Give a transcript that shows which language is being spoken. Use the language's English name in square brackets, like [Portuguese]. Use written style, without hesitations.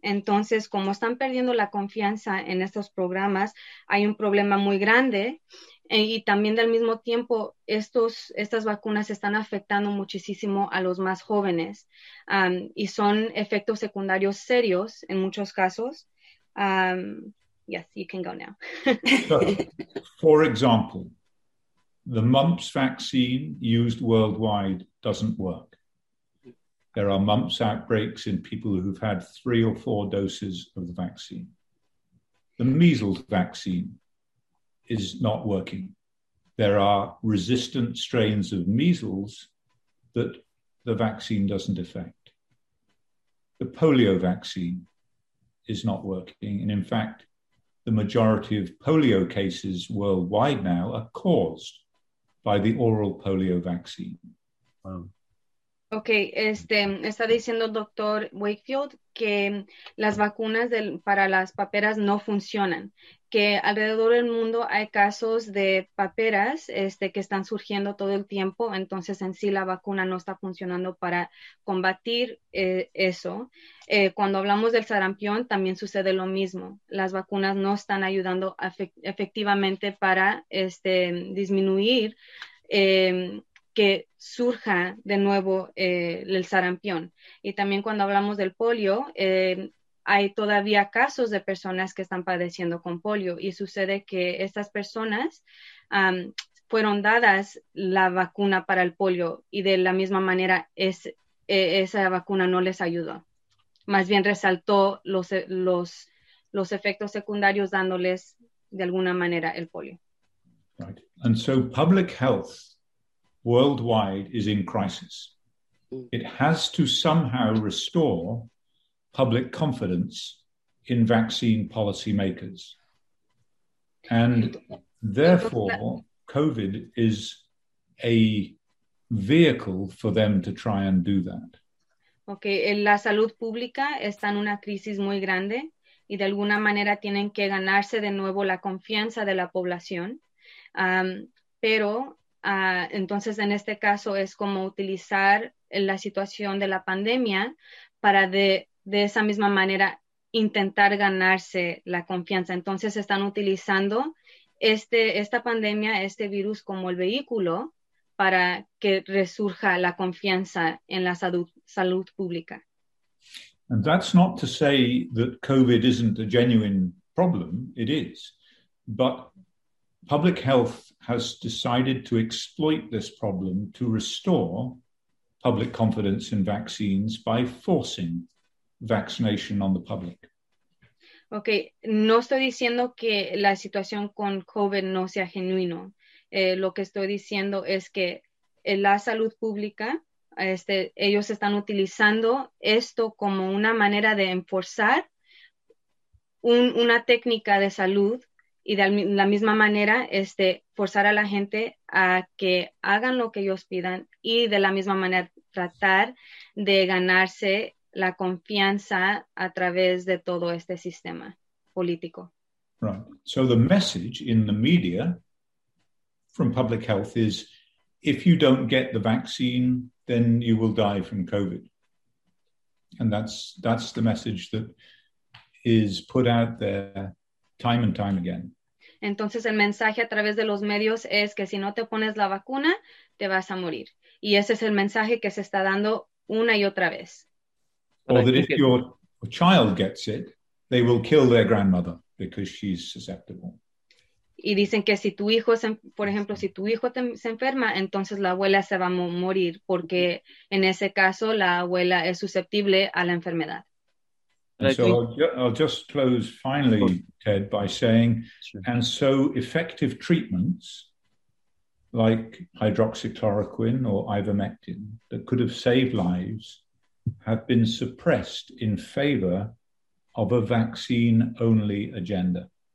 [Spanish] Entonces, como están perdiendo la confianza en estos programas, hay un problema muy grande. Y también al mismo tiempo, estas vacunas están afectando muchísimo a los más jóvenes y son efectos secundarios serios en muchos casos. [English] Yes, you can go now. So, for example, the mumps vaccine used worldwide doesn't work. There are mumps outbreaks in people who've had 3 or 4 doses of the vaccine. The measles vaccine is not working. There are resistant strains of measles that the vaccine doesn't affect. The polio vaccine is not working. And in fact, the majority of polio cases worldwide now are caused by the oral polio vaccine. [Spanish] Wow. Okay, está diciendo Dr. Wakefield que las vacunas para las paperas no funcionan. Que alrededor del mundo hay casos de paperas que están surgiendo todo el tiempo, entonces en sí la vacuna no está funcionando para combatir eso. Cuando hablamos del sarampión también sucede lo mismo. Las vacunas no están ayudando efectivamente para disminuir que surja de nuevo el sarampión. Y también cuando hablamos del polio, hay todavía casos de personas que están padeciendo con polio y sucede que estas personas fueron dadas la vacuna para el polio y de la misma manera esa vacuna no les ayudó. Más bien resaltó los efectos secundarios dándoles de alguna manera el polio. [English] Right. And so public health worldwide is in crisis. It has to somehow restore public confidence in vaccine policymakers. And therefore, COVID is a vehicle for them to try and do that. [Spanish] Okay, la salud pública está en una crisis muy grande y de alguna manera tienen que ganarse de nuevo la confianza de la población. Pero entonces en este caso es como utilizar la situación de la pandemia para de esa misma manera intentar ganarse la confianza. Entonces están utilizando esta pandemia, este virus como el vehículo para que resurja la confianza en la salud pública. [English] And that's not to say that COVID isn't a genuine problem. It is. But public health has decided to exploit this problem to restore public confidence in vaccines by forcing vaccination on the public. [Spanish] Okay, no estoy diciendo que la situación con COVID no sea genuino. Lo que estoy diciendo es que la salud pública, ellos están utilizando esto como una manera de enforzar una técnica de salud y de la misma manera forzar a la gente a que hagan lo que ellos pidan y de la misma manera tratar de ganarse la confianza a través de todo este sistema político. [English] Right. So the message in the media from public health is, if you don't get the vaccine, then you will die from COVID. And that's the message that is put out there time and time again. [Spanish] Entonces el mensaje a través de los medios es que si no te pones la vacuna, te vas a morir. Y ese es el mensaje que se está dando una y otra vez. [English] Or that if your child gets it, they will kill their grandmother because she's susceptible. [Spanish] Y dicen que si tu hijo, por ejemplo, si tu hijo se enferma, entonces la abuela se va a morir porque en ese caso la abuela es susceptible a la enfermedad. [English] And so I'll just close finally, Ted, by saying, and so effective treatments like hydroxychloroquine or ivermectin that could have saved lives have been suppressed in favor of a vaccine-only agenda.